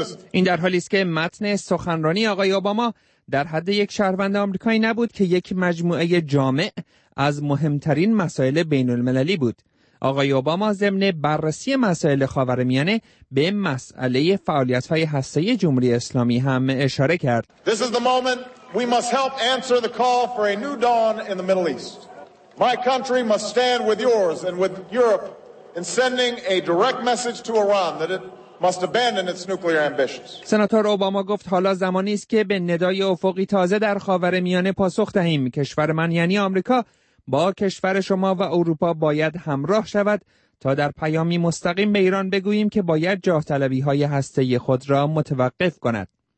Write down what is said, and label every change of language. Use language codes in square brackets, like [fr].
[fa] این در حالی است که متن سخنرانی آقای اوباما در حد یک شهروند آمریکایی نبود، که یک مجموعه جامع از مهمترین مسائل بین المللی بود. آقای اوباما ضمن بررسی مسائل خاورمیانه به مسئله فعالیت‌های هسته‌ای جمهوری اسلامی هم اشاره کرد. [en] This is the moment we must help answer the call for a new dawn in the Middle East. My country must stand with yours and with Europe in sending a direct message to Iran that it must abandon its nuclear ambitions. [fa] سناتور اوباما گفت حالا زمانی است که به ندای افقی تازه در خاورمیانه پاسخ دهیم. کشور من یعنی آمریکا با کشور شما و اروپا باید همراه شود تا در پیامی مستقیم به ایران بگوییم که باید جاه طلبی های هسته‌ای خود را متوقف کند.